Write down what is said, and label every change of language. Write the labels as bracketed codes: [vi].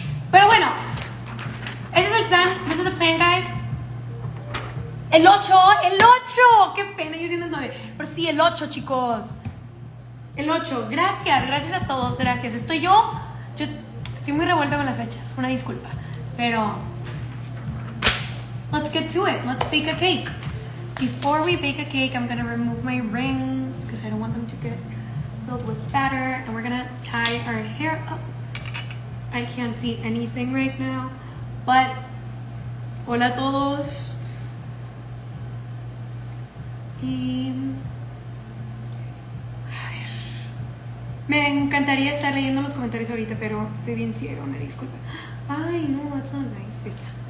[es] Pero bueno, ese es el plan. [en] This is the plan, guys. [es] El 8, el 8. Qué pena, yo siendo el 9. Pero sí, el 8, chicos. El 8, gracias a todos, gracias. Estoy yo estoy muy revuelta con las fechas, una disculpa. Pero, [en] let's get to it, let's bake a cake. Before we bake a cake, I'm gonna remove my rings because I don't want them to get filled with batter. And we're gonna tie our hair up. I can't see anything right now, but [es] Hola a todos. Y me encantaría estar leyendo los comentarios ahorita, pero estoy bien ciego, me disculpa. [en] Ay, no, that's not nice. [es] Esta.